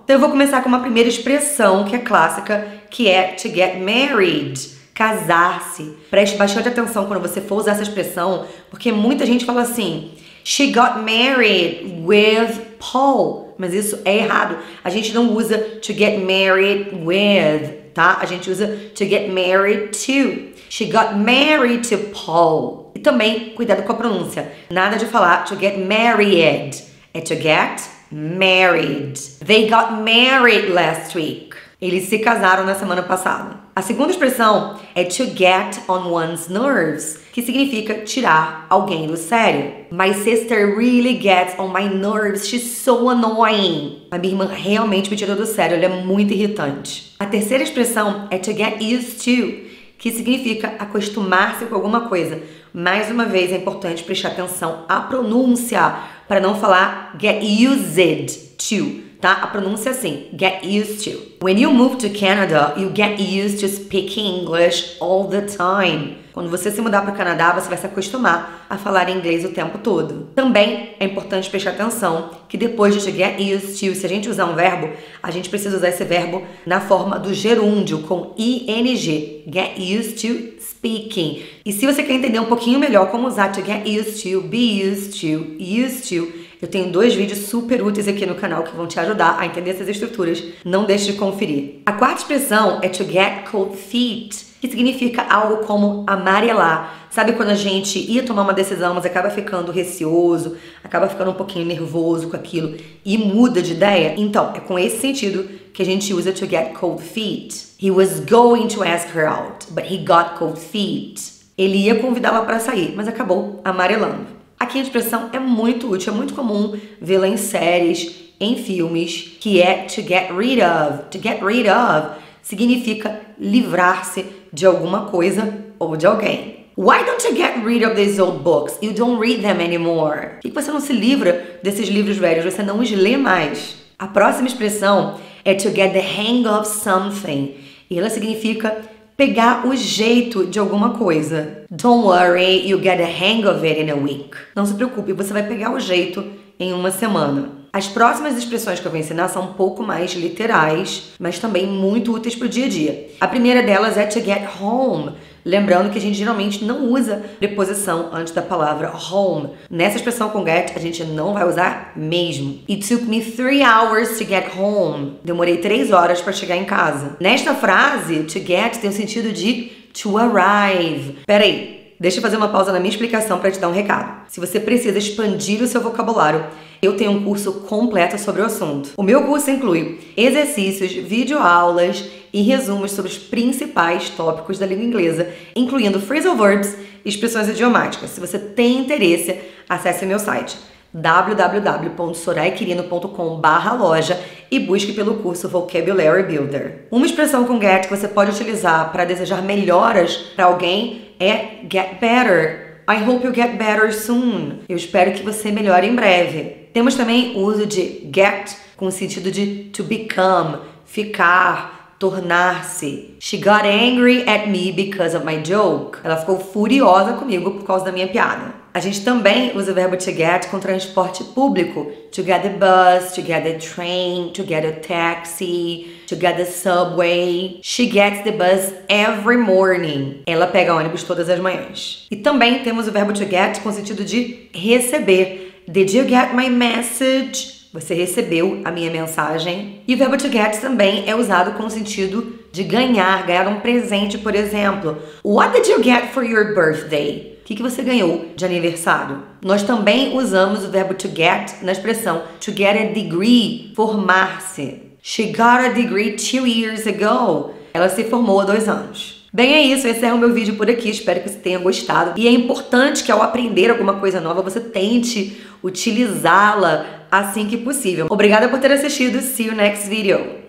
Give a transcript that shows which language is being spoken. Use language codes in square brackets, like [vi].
[pt] Então eu vou começar com uma primeira expressão que é clássica, que é to get married. Casar-se. Preste bastante atenção quando você for usar essa expressão, porque muita gente fala assim: [en] She got married with Paul. [pt] Mas isso é errado. A gente não usa to get married with, tá? A gente usa to get married to. [en] She got married to Paul. [pt] E também, cuidado com a pronúncia. Nada de falar to get married. É to get married. [en] They got married last week. [pt] Eles se casaram na semana passada. A segunda expressão é to get on one's nerves, que significa tirar alguém do sério. [en] My sister really gets on my nerves. She's so annoying. [pt] A minha irmã realmente me tirou do sério. Ela é muito irritante. A terceira expressão é to get used to, que significa acostumar-se com alguma coisa. Mais uma vez, é importante prestar atenção à pronúncia para não falar get used to. Tá? A pronúncia é assim, get used to. [en] When you move to Canada, you get used to speaking English all the time. [pt] Quando você se mudar para o Canadá, você vai se acostumar a falar inglês o tempo todo. Também é importante prestar atenção que depois de get used to, se a gente usar um verbo, a gente precisa usar esse verbo na forma do gerúndio, com ing. Get used to speaking. E se você quer entender um pouquinho melhor como usar to get used to, be used to, eu tenho dois vídeos super úteis aqui no canal que vão te ajudar a entender essas estruturas. Não deixe de conferir. A quarta expressão é to get cold feet, que significa algo como amarelar. Sabe quando a gente ia tomar uma decisão, mas acaba ficando receoso, acaba ficando um pouquinho nervoso com aquilo e muda de ideia? Então, é com esse sentido que a gente usa to get cold feet. [en] He was going to ask her out, but he got cold feet. [pt] Ele ia convidá-la para sair, mas acabou amarelando. Aqui a expressão é muito útil, é muito comum vê-la em séries, em filmes, que é to get rid of. To get rid of significa livrar-se de alguma coisa ou de alguém. [en] Why don't you get rid of these old books? You don't read them anymore. [pt] Por que você não se livra desses livros velhos? Você não os lê mais. A próxima expressão é to get the hang of something. E ela significa pegar o jeito de alguma coisa. [en] Don't worry, you'll get the hang of it in a week. [pt] Não se preocupe, você vai pegar o jeito em uma semana. As próximas expressões que eu vou ensinar são um pouco mais literais, mas também muito úteis para o dia a dia. A primeira delas é to get home. Lembrando que a gente geralmente não usa preposição antes da palavra home. Nessa expressão com get, a gente não vai usar mesmo. [en] It took me 3 hours to get home. [pt] Demorei 3 horas para chegar em casa. Nesta frase, to get tem o sentido de to arrive. Peraí. Deixa eu fazer uma pausa na minha explicação para te dar um recado. Se você precisa expandir o seu vocabulário, eu tenho um curso completo sobre o assunto. O meu curso inclui exercícios, videoaulas e resumos sobre os principais tópicos da língua inglesa, incluindo phrasal verbs e expressões idiomáticas. Se você tem interesse, acesse meu site www.soraiaquirino.com/loja e busque pelo curso Vocabulary Builder. Uma expressão com get que você pode utilizar para desejar melhoras para alguém é get better. [en] I hope you get better soon. [pt] Eu espero que você melhore em breve. Temos também o uso de get com o sentido de to become, ficar, tornar-se. [en] She got angry at me because of my joke. [pt] Ela ficou furiosa comigo por causa da minha piada. A gente também usa o verbo to get com transporte público. [en] To get the bus, to get the train, to get a taxi, to get the subway. She gets the bus every morning. [pt] Ela pega ônibus todas as manhãs. E também temos o verbo to get com sentido de receber. [en] Did you get my message? [pt] Você recebeu a minha mensagem. E o verbo to get também é usado com o sentido de ganhar um presente, por exemplo. [en] What did you get for your birthday? [pt] O que você ganhou de aniversário? Nós também usamos o verbo to get na expressão to get a degree, formar-se. [en] She got a degree 2 years ago. [pt] Ela se formou há 2 anos. Bem, é isso. Esse é o meu vídeo por aqui. Espero que você tenha gostado. E é importante que ao aprender alguma coisa nova, você tente utilizá-la assim que possível. Obrigada por ter assistido. [en] See you next video.